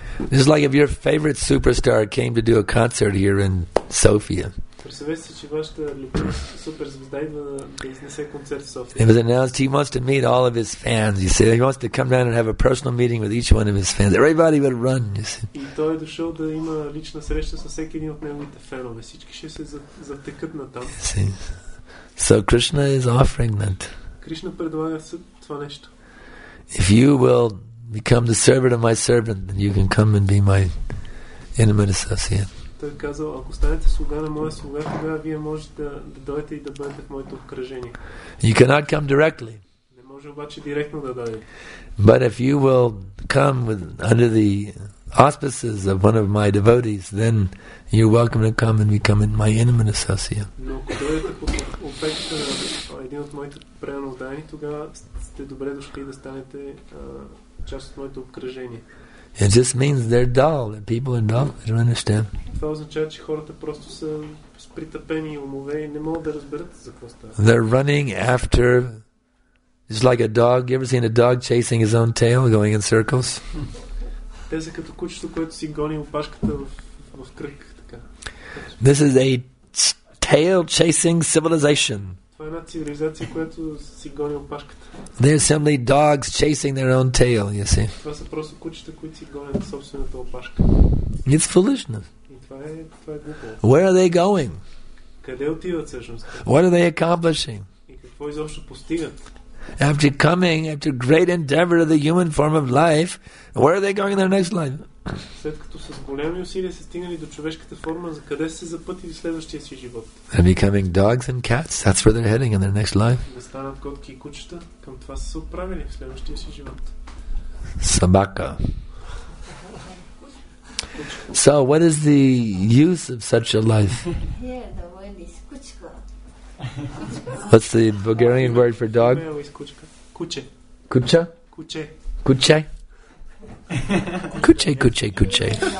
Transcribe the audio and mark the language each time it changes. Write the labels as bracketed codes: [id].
[en] Just like if your favorite superstar came to do a concert here in Sofia. [bg] Представете си, че вашата любима суперзвезда идва да изнесе концерт в София. [en] It was announced he wants to meet all of his fans. You see, he wants to come down and have a personal meeting with each one of his fans. Everybody would run. You see. [bg] И той е дошъл да има лична среща с всеки един от неговите фенове. Всички ще се затекат на там. [en] So Krishna is offering that. [bg] Кришна предлага това нещо. [en] If you will become the servant of my servant, then you can come and be my intimate associate. [bg] Той казал, ако станете слуга на моя слуга, тогава вие можете да дойдете и да бъдете в моето обкръжение. [en] You cannot come directly. [bg] Не може обаче директно да дойде. [en] But if you will come with under the auspices of one of my devotees, then you're welcome to come and become my intimate associate. [bg] Но ако дойдете под опеката на един от моите преданодани, тогава сте добре дошли да станете част от моето обкръжение. [en] It just means they're dull. That people are dull. You don't understand. [bg] Това означава, че хората просто са с притъпени умове и не могат да разберат за какво става. [en] They're running after, it's like a dog. You ever seen a dog chasing his own tail, going in circles? [bg] Те са като кучето, което си гони опашката в кръг, така. [en] This is a tail-chasing civilization. [bg] Това е една цивилизация, която си гони опашката. [en] They're simply dogs chasing their own tail, you see. [bg] Това са просто кучета, които си гонят собствената опашка. [en] It's foolishness. [bg] Това е [en] Where are they going? [bg] Къде отиват всъщност? [en] What are they accomplishing? [bg] И какво изобщо постигат? [en] After coming, after great endeavor of the human form of life, where are they going in their next life? [bg] След като с големи усилия са стигнали до човешката форма, за къде са се запътили в следващия си живот? [en] They're becoming dogs and cats. That's where they're heading in their next life. [bg] Да станат котки и кучета. Към това са се отправили в следващия си живот. [ru] Собака. [en] So, what is the use of such a life? Yeah, the word is kuchka. What's the Bulgarian word for dog? [bg] Kuche. Kucha? Kuche. Kuche? Kuche, kuche, kuche.